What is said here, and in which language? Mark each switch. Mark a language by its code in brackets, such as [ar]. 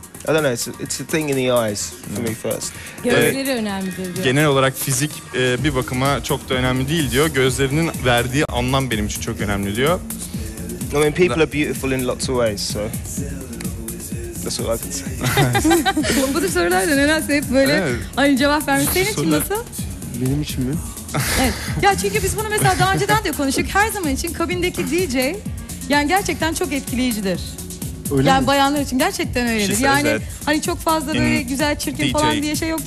[en] It's a thing in the eyes for me first. [tr] Gözleri önemlidir diyor. Genel olarak fizik bir bakıma çok da önemli değil diyor. Gözlerinin verdiği anlam benim için çok önemli diyor. [en] I mean, people are beautiful in lots of ways, so that's what I can say. [tr] Bu da sorularda nedense hep böyle aynı cevap vermiş. Senin için nasıl? Benim için mi? Evet. Ya çünkü biz bunu mesela daha önceden de konuştuk. Her zaman için kabindeki DJ yani gerçekten çok etkileyicidir. Öyle yani mi? Bayanlar için gerçekten öyledir. Yani hani çok fazla böyle güzel çirkin DJ falan diye şey yoktur.